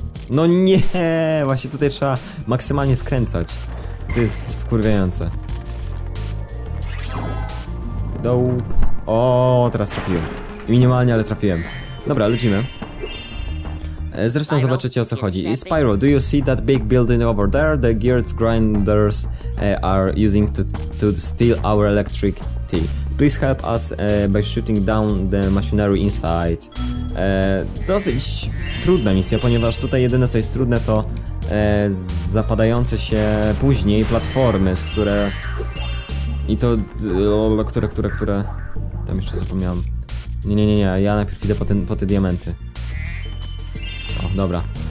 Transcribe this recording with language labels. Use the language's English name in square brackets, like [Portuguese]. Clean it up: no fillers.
[Polish] No nie, właśnie tutaj trzeba maksymalnie skręcać. To jest wkurwiające. Dołup. O, teraz trafiłem. Minimalnie, ale trafiłem. Dobra, lecimy. Zresztą Spyro, zobaczycie, o co chodzi. [English] Spyro, do you see that big building over there? The geared grinders are using to steal our electricity. Please help us by shooting down the machinery inside. [Polish] Dosyć trudna misja, ponieważ tutaj jedyne, co jest trudne, to zapadające się później platformy, z które... I to... Które... Tam jeszcze zapomniałem. Nie, ja najpierw idę po te diamenty. O, dobra.